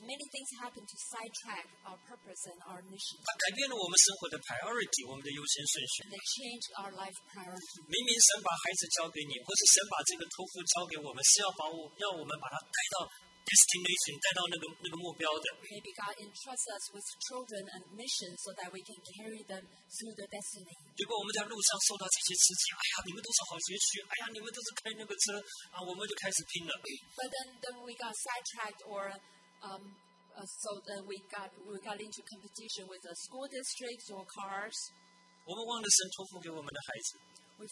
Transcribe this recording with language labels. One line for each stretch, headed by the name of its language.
English: many things happen to sidetrack our purpose and our mission.
Chinese: 它改变了我们生活的 priority， 我们的优先顺序。They
English: change our life priority.
Chinese: 明明神把孩子交给你，或是神把这个托付交给我们，是要把我们把它带到。 Destination 带到那个目标的。Maybe
English: God entrusts us with children and mission so that we can carry them through the destiny.
Chinese: 结果我们在路上受到这些刺激，哎呀，你们都是好学区，哎呀，你们都是开那个车，啊，我们就开始拼了。But
English: then we got sidetracked or so then we got into competition with the school districts or cars.
Chinese: 我们忘了神托付给我们的孩子。We